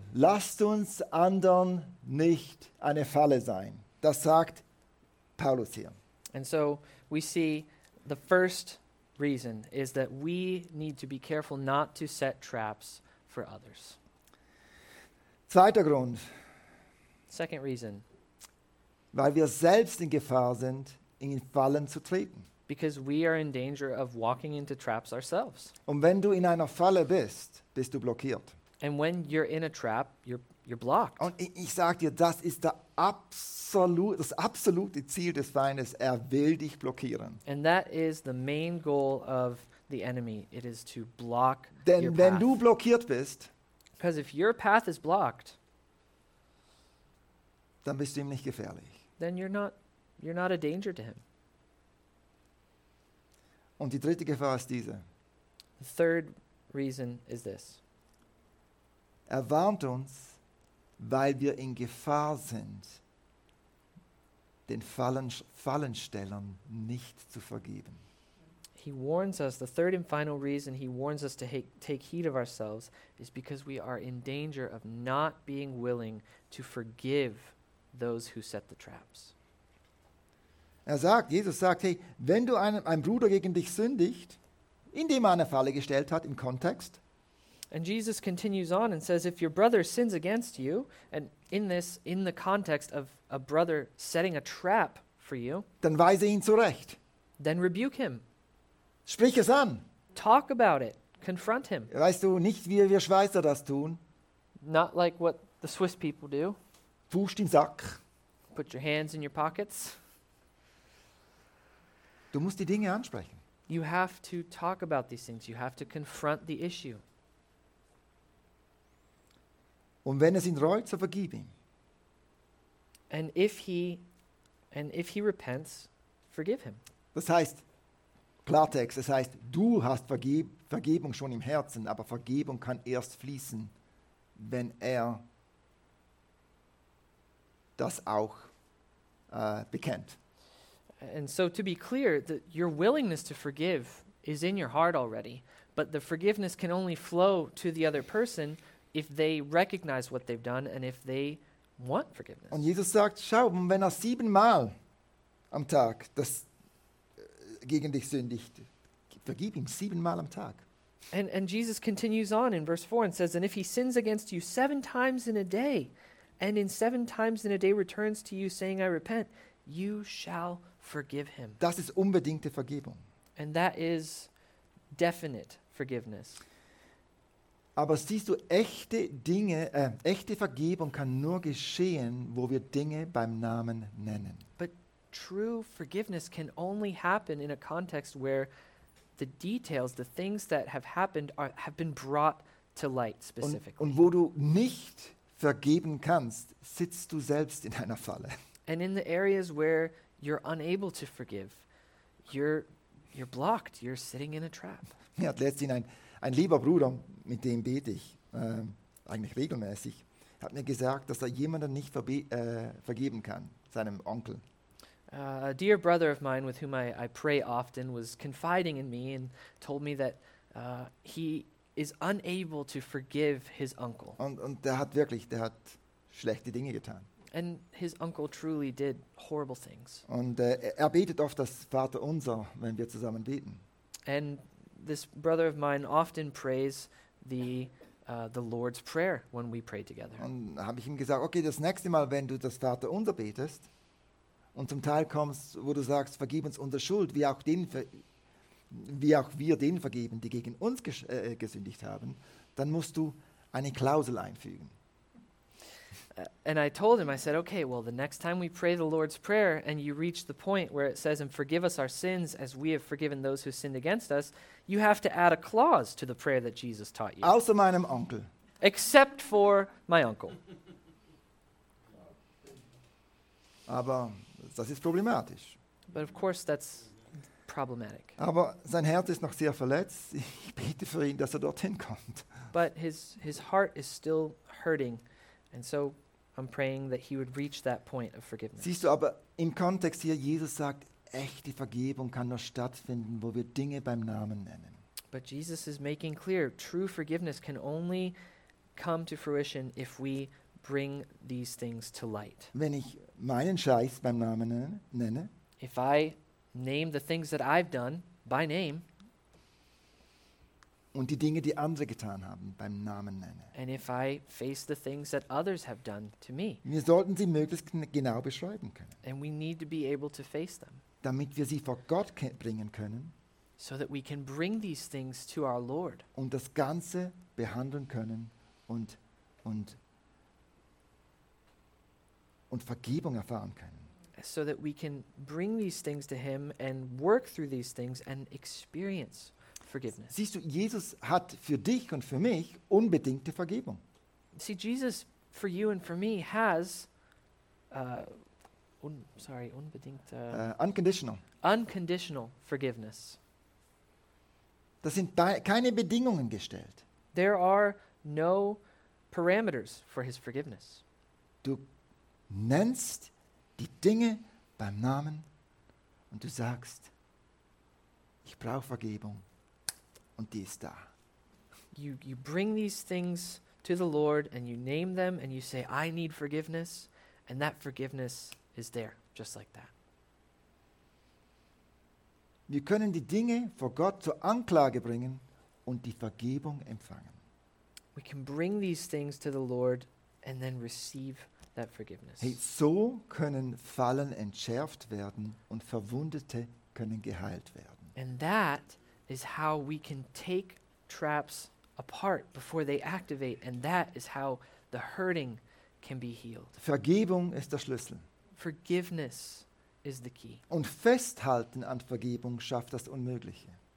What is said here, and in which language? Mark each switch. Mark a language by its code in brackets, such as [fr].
[de] Lasst uns anderen nicht eine Falle sein. Das sagt Paulus hier. [en] And so we see the first reason is that we need to be careful not to set traps for others. [de] Zweiter Grund. [en] Second reason. [de] Weil wir selbst in Gefahr sind, in Fallen zu treten. [en] Because we are in danger of walking into traps ourselves. [de] Und wenn du in einer Falle bist, bist du blockiert. [en] And when you're in a trap, you're blocked. [de] Und ich sag dir, das ist das absolute Ziel des Feindes. Er will dich blockieren. [en] And that is the main goal of the enemy. It is to block your path. [de] Denn wenn du blockiert bist, [en] because if your path is blocked, [de] dann bist du ihm nicht gefährlich. [en] Then you're not a danger to him. [de] Und die dritte Gefahr ist diese. [en] The third reason is this. [de] Er warnt uns, weil wir in Gefahr sind, den Fallenstellern nicht zu vergeben. [en] He warns us, the third and final reason he warns us to take heed of ourselves is because we are in danger of not being willing to forgive those who set the traps. [de] Jesus sagt, hey, wenn du einem Bruder gegen dich sündigt, indem er eine Falle gestellt hat, im Kontext, [en] And Jesus continues on and says, if your brother sins against you, and in this, in the context of a brother setting a trap for you, [de] dann weise ihn zurecht. [en] Then rebuke him. [de] Sprich es an. [en] Talk about it. Confront him. [de] Weißt du nicht, wie wir Schweizer das tun? [en] Not like what the Swiss people do. [gsw] Fuscht im Sack. [en] Put your hands in your pockets. [de] Du musst die Dinge ansprechen. [en] You have to talk about these things. You have to confront the issue. [de] Und wenn es ihn reut, so vergib ihm. [en] And if he repents, forgive him. [de] Das heißt, Klartext, das heißt, du hast Vergebung schon im Herzen, aber Vergebung kann erst fließen, wenn er das auch bekennt. [en] And so to be clear, your willingness to forgive is in your heart already, but the forgiveness can only flow to the other person if they recognize what they've done and if they want forgiveness. [de] Und Jesus sagt, schau, wenn er 7-mal am Tag das gegen dich sündigt, vergib ihm 7-mal am Tag. [en] And Jesus continues on in verse 4 and says, and if he sins against you 7 times in a day, and in 7 times in a day returns to you saying, I repent, you shall forgive him. [de] Das ist unbedingte Vergebung. [en] And that is definite forgiveness. [de] Aber siehst du, echte Vergebung kann nur geschehen, wo wir Dinge beim Namen nennen. [en] But true forgiveness can only happen in a context where the details, the things that have happened, have been brought to light specifically. [de] Und wo du nicht vergeben kannst, sitzt du selbst in einer Falle. [en] And in the areas where you're unable to forgive, you're blocked, you're sitting in a trap. [de] Mir hat letztens ein lieber Bruder, mit dem bete ich eigentlich regelmäßig, hat mir gesagt, dass er jemanden nicht vergeben kann, seinem Onkel. [en] A dear brother of mine with whom I pray often was confiding in me and told me that he is unable to forgive his uncle. [de] Und der hat wirklich, der hat schlechte Dinge getan. [en] And his uncle truly did horrible things. [de] Und er betet oft das Vater unser, wenn wir zusammen beten. [en] And this brother of mine often prays the Lord's Prayer when we pray together. [de] Und habe ich ihm gesagt, okay, das nächste Mal, wenn du das Vater unser betest, und zum Teil kommst, wo du sagst, vergib uns unsere Schuld, wie auch wir denen vergeben, die gegen uns gesündigt haben, dann musst du eine Klausel einfügen. [en] And I told him, I said, okay, well, the next time we pray the Lord's Prayer and you reach the point where it says, and forgive us our sins as we have forgiven those who sinned against us, you have to add a clause to the prayer that Jesus taught you. [de] Außer meinem Onkel. [en] Except for my uncle. [de] Aber das ist problematisch. [en] But of course that's problematic. [de] Aber sein Herz ist noch sehr verletzt. Ich bete für ihn, dass er dorthin kommt. [en] But his heart is still hurting. And so I'm praying that he would reach that point of forgiveness. [de] Siehst du aber im Kontext hier, Jesus sagt, echte Vergebung kann nur stattfinden, wo wir Dinge beim Namen nennen. [en] But Jesus is making clear, true forgiveness can only come to fruition if we bring these things to light. [de] Wenn ich meinen Scheiß beim Namen nenne, [en] if I name the things that I've done by name, [de] und die Dinge, die andere getan haben, beim Namen nenne. [en] And if I face the things that others have done to me. [de] Wir sollten sie möglichst genau beschreiben können. [en] And we need to be able to face them. [de] Damit wir sie vor Gott bringen können. [en] So that we can bring these things to our Lord. [de] Und das Ganze behandeln können und Vergebung erfahren können. [en] So that we can bring these things to him and work through these things and experience. [de] Siehst du, Jesus hat für dich und für mich unbedingte Vergebung. [en] See, Jesus for you and for me has unconditional forgiveness. [de] Das sind keine Bedingungen gestellt. [en] There are no parameters for his forgiveness. [de] Du nennst die Dinge beim Namen und du sagst, ich brauche Vergebung. Und die ist da. [en] You bring these things to the Lord and you name them and you say, I need forgiveness. And that forgiveness is there, just like that. [de] Wir können die Dinge vor Gott zur Anklage bringen und die Vergebung empfangen. [en] We can bring these things to the Lord and then receive that forgiveness. [de] Hey, so können Fallen entschärft werden und Verwundete können geheilt werden. [en] And that is how we can take traps apart before they activate, and that is how the hurting can be healed. [de] Vergebung ist der Schlüssel. [en] Forgiveness is the key. [de] Und festhalten an Vergebung schafft das Unmögliche.